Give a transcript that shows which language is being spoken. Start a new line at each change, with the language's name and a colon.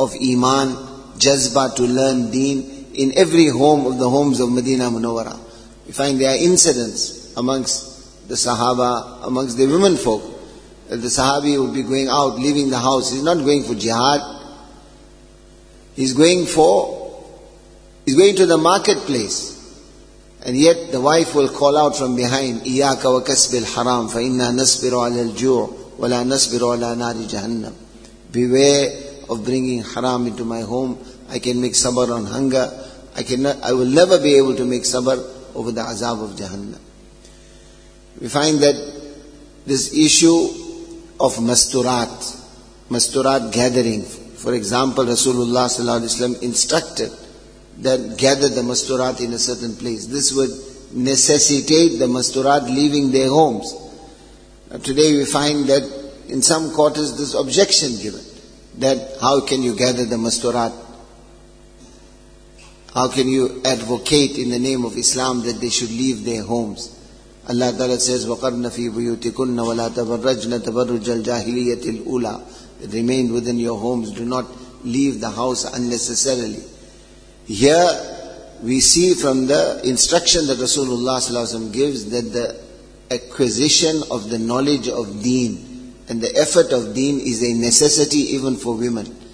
English: of iman, jazba to learn deen in every home of the homes of Medina Munawwara. We find there are incidents amongst the sahaba, amongst the women folk, that the sahabi would be going out, leaving the house. He's not going for jihad. He's going to the marketplace. And yet the wife will call out from behind,
Arabic: إِيَّاكَ وَكَسْبِ الْحَرَامِ فَإِنَّا نَسْبِرُ عَلَى الْجُوعِ وَلَا نَسْبِرُ عَلَى نَارِ جَهَنَّمِ.
English: Beware of bringing haram into my home. I can make sabr on hunger. I will never be able to make sabr over the azab of Jahannam. We find that this issue of masturat gathering. For example, Rasulullah sallallahu alaihi wasallam instructed that gather the masturat in a certain place. This would necessitate the masturat leaving their homes. Now today we find that in some quarters this objection given, that how can you gather the masturat? How can you advocate in the name of Islam that they should leave their homes? Allah Ta'ala says,
Arabic: وَقَرْنَ فِي بُيُوتِكُنَّ وَلَا تَبَرَّجْنَ تَبَرُّجَ الْجَاهِلِيَّةِ الْأُولَى.
English: Remain within your homes. Do not leave the house unnecessarily. Here, we see from the instruction that Rasulullah Sallallahu Alaihi Wasallam gives that the acquisition of the knowledge of deen and the effort of deen is a necessity even for women.